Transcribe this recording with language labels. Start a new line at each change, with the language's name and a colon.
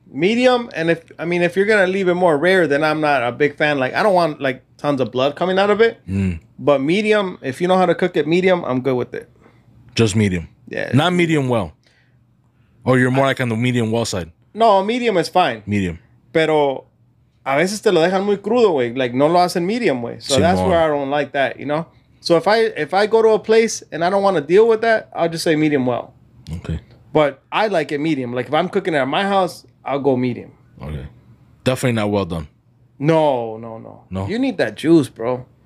English: Medium, and if you're going to leave it more rare, then I'm not a big fan. Like, I don't want, like, tons of blood coming out of it. Mm. But medium, if you know how to cook it medium, I'm good with it. Just medium? Yeah. Not medium well. Or you're more on the medium well side? No, medium is fine. Medium.
Spanish: Pero a veces te lo dejan muy crudo, güey. Like, no lo hacen medium, güey.
English: So that's where I don't like that, you know? So if I go to a place and I don't want to deal with that, I'll just say medium well. Okay. But I like it medium. Like, if I'm cooking it at my house, I'll go medium. Okay. Definitely not well done. No. No? You need that juice, bro.